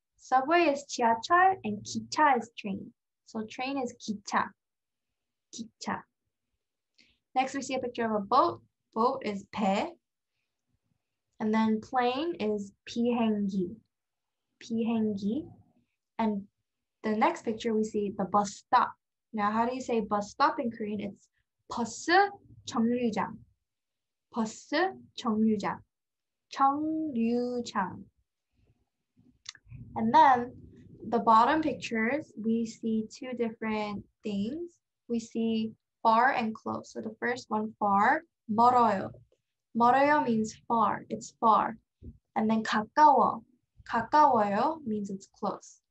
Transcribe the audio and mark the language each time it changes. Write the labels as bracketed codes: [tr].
[en] Subway is 지하철 and 기차 is train. So train is 기차, 기차. Next, we see a picture of a boat. Boat is 배. And then plane is 비행기, 비행기. And the next picture we see the bus stop. Now, how do you say bus stop in Korean? [ko] It's 버스 정류장, 버스 정류장, 정류장. [en] And then the bottom pictures, we see two different things. We see far and close. So the first one, far, 멀어요. 멀어요 means far, it's far. And then 가까워, 가까워요 means it's close.